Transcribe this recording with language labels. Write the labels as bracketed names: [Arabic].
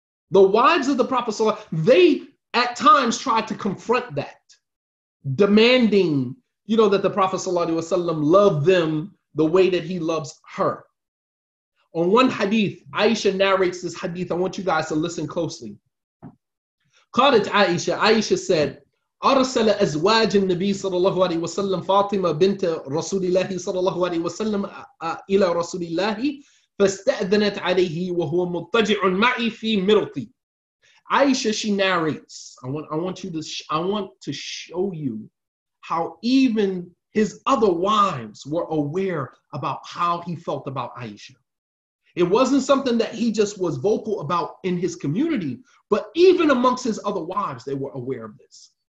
[English] The wives of the Prophet sallallahu alaihi wasallam, they at times tried to confront that, demanding, you know, that the Prophet sallallahu alaihi wasallam love them the way that he loves her. On one hadith, Aisha narrates this hadith. I want you guys to listen closely. [Arabic] Qalat Aisha, [English] Aisha said, [Arabic] أرسل أزواج النبي صلى الله عليه وسلم فاطمة بنت رسول الله صلى الله عليه وسلم إلى رسول الله فاستأذنت عليه وهو مضطجع معي في مرطي. [English] Aisha, she narrates. I want to show you how even his other wives were aware about how he felt about Aisha. It wasn't something that he just was vocal about in his community, but even amongst his other wives, they were aware of this.